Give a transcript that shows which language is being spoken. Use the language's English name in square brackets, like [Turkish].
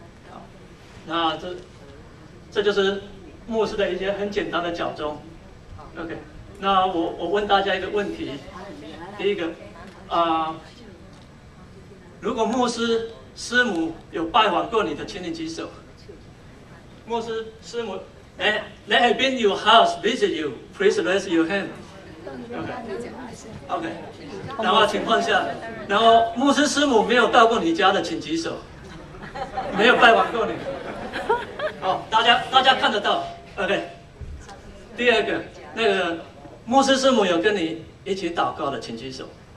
[Chinese] 好，那这就是牧师的一些很简单的脚踪。 OK， 那我问大家一个问题，第一个如果牧师师母有拜访过你的，请你举手。牧师师母 [English] Let her bring your house, visit you. Please raise your hand. OK. [Chinese] 然后情况下，然后牧师师母没有到过你家的，请举手。没有拜访过你。好，大家看得到。OK。第二个，那个牧师师母有跟你一起祷告的，请举手。